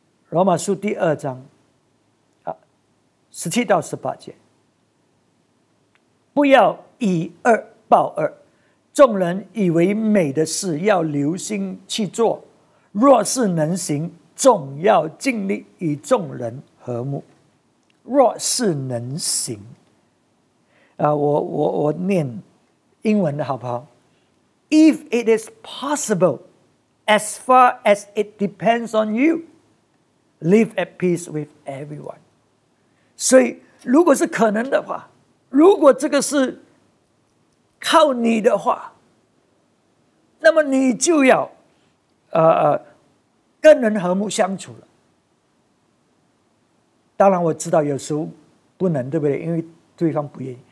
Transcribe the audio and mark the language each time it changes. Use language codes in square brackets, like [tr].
[zh] 罗马书第二章十七到十八节。不要以恶报恶，众人以为美的事要留心去做，若是能行，总要尽力与众人和睦。若是能行，我念英文的好不好 [en] ？If it is possible, as far as it depends on you, live at peace with everyone. [zh] 所以，如果是可能的话，如果这个是靠你的话，那么你就要，跟人和睦相处了。当然我知道有时候不能，对不对？因为对方不愿意。